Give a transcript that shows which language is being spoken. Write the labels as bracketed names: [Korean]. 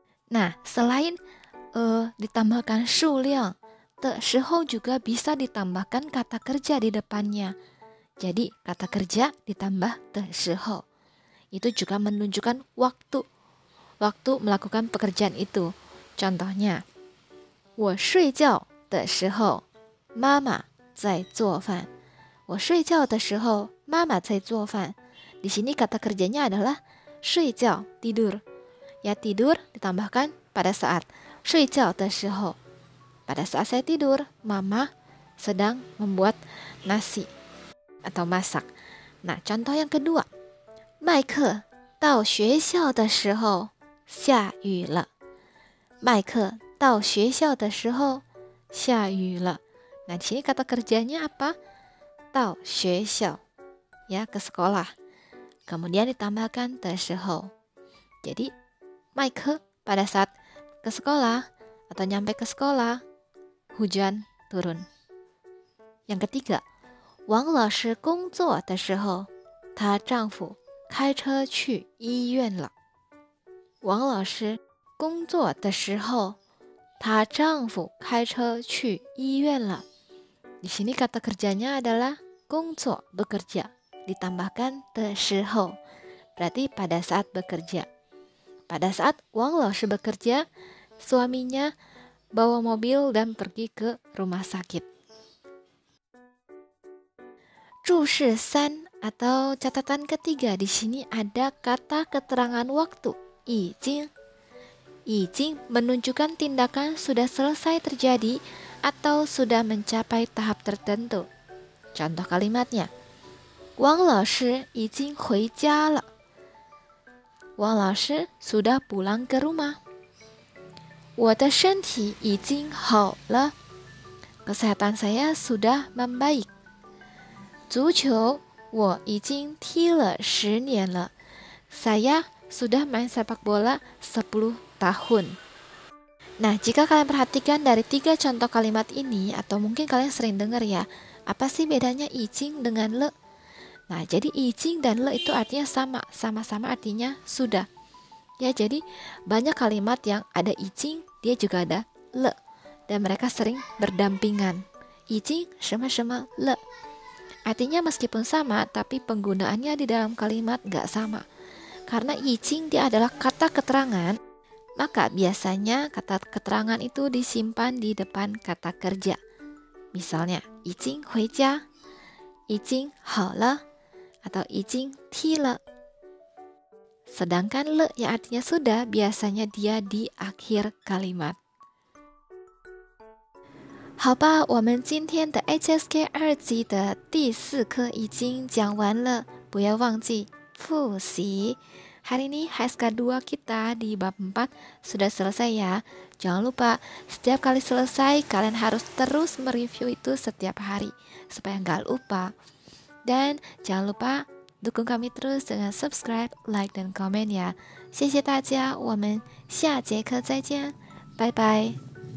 [Indonesian] Nah, selain ditambahkan 数量的时候juga bisa ditambahkan kata kerja di depannya. Jadi kata kerja ditambah 的时候 itu juga menunjukkan waktu, waktu melakukan pekerjaan itu. [Chinese] Contohnya, 我睡觉的时候妈妈在做饭。我睡觉的时候妈妈在做饭。 [Indonesian] Di sini kata kerjanya adalah 睡觉 tidur. Ya, tidur ditambahkan pada saat 睡觉的时候。 Pada saat saya tidur, mama sedang membuat nasi atau masak. Nah, contoh yang kedua. [Chinese] Mike 到学校的时候下雨了。 Mike 到学校的时候下雨了。 [Indonesian] Nah, di sini kata kerjanya apa? 到学校。Ya, ke sekolah. Kemudian ditambahkan 的时候。 Jadi, Mike pada saat ke sekolah atau nyampe ke sekolah,hujan turun. Yang ketiga, [Chinese] Wang 老师工作的时候她丈夫开车去医院了。 Wang 老师工作的时候她丈夫开车去医院了。 [Indonesian] Di sini kata kerjanya adalah 工作 bekerja ditambahkan 的时候 berarti pada saat bekerja. Pada saat Wang 老师 bekerja, suaminyaBawa mobil dan pergi ke rumah sakit. 注释三 atau catatan ketiga di sini ada kata keterangan waktu, 已经. 已经 menunjukkan tindakan sudah selesai terjadi atau sudah mencapai tahap tertentu. Contoh kalimatnya, [Chinese] Wang 老师已经回家了. [Indonesian] Wang 老师 sudah pulang ke rumah. [Chinese] 我的身体已经好了。 [Indonesian] Kesehatan saya sudah membaik. [Chinese] 足球我已经踢了十年了。 [Indonesian] Saya sudah main sepak bola 10 tahun. Nah, jika kalian perhatikan dari tiga contoh kalimat ini, atau mungkin kalian sering dengar ya, apa sih bedanya 已经 dengan 了? Nah, jadi 已经 dan 了 itu artinya sama, sama-sama artinya sudah. Ya, jadi banyak kalimat yang ada 已经, dia juga ada 了, dan mereka sering berdampingan. 已经什么什么了, artinya meskipun sama, tapi penggunaannya di dalam kalimat gak sama. Karena 已经 dia adalah kata keterangan, maka biasanya kata keterangan itu disimpan di depan kata kerja. [Chinese] Misalnya, 已经回家, 已经好了, atau 已经踢了。 [Indonesian] Sedangkan le yang artinya sudah biasanya dia di akhir kalimat. [Chinese] 好吧，我们今天的 HSK 二级的第四课已经讲完了，不要忘记复习。 [Indonesian] Hari ini SK 2 kita di bab 4 sudah selesai ya. Jangan lupa, setiap kali selesai kalian harus terus mereview itu setiap hari supaya nggak lupa. Dan jangan lupa dukung kami terus dengan subscribe, like, dan komen ya. [Chinese] 谢谢大家，我们下节课再见，拜拜。